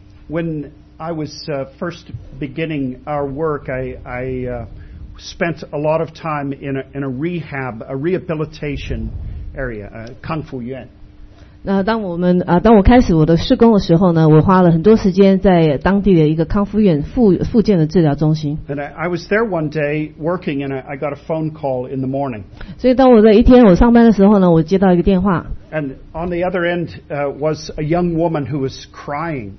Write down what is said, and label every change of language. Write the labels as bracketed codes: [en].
[en] When I was first beginning our work, I spent a lot of time in a rehab, a rehabilitation area, a Kung Fu Yuan. [zh] 当我开始我的事工的时候呢，我花了很多时间在当地的一个康复院复健的治疗中心。 [en] And I was there one day working, and I got a phone call in the morning. [zh] 所以当我在一天我上班的时候呢，我接到一个电话。 [en] And on the other end was a young woman who was crying.